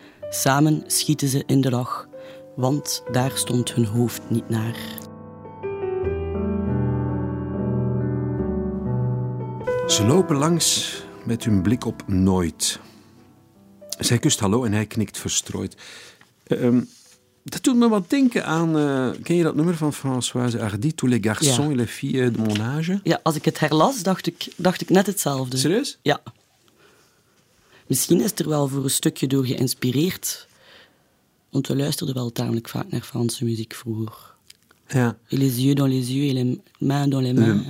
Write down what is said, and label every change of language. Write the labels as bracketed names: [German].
[Dutch] Samen schieten ze in de lach, want daar stond hun hoofd niet naar. Ze lopen langs met hun blik op nooit. Zij kust hallo en hij knikt verstrooid. Dat doet me wat denken aan... ken je dat nummer van Françoise Hardy? [French] Tous les garçons et les filles de mon âge? [Dutch] Ja, als ik het herlas, dacht ik net hetzelfde. Serieus? Ja. Misschien is het er wel voor een stukje door geïnspireerd. Want we luisterden wel tamelijk vaak naar Franse muziek vroeger. Ja. [French] Et les yeux dans les yeux et les mains dans les mains.